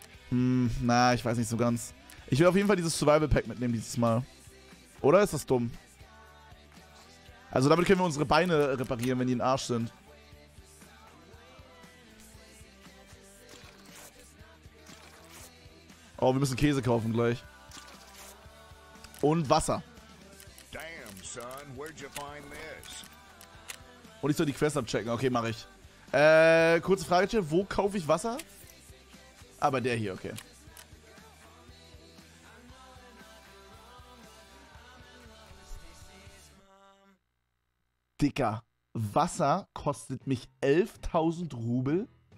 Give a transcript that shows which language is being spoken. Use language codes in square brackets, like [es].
[de] Na, ich weiß nicht so ganz. Ich will auf jeden Fall dieses Survival-Pack mitnehmen dieses Mal. Oder ist das dumm? Also damit können wir unsere Beine reparieren, wenn die in Arsch sind. Oh, wir müssen Käse kaufen gleich. Und Wasser. [en] Damn, son, where'd you find this? [de] Und ich soll die Quest abchecken. Okay, mach ich. Kurze Frage, wo kaufe ich Wasser? Ah, bei der hier, okay. Dicker. Wasser kostet mich 11.000 Rubel.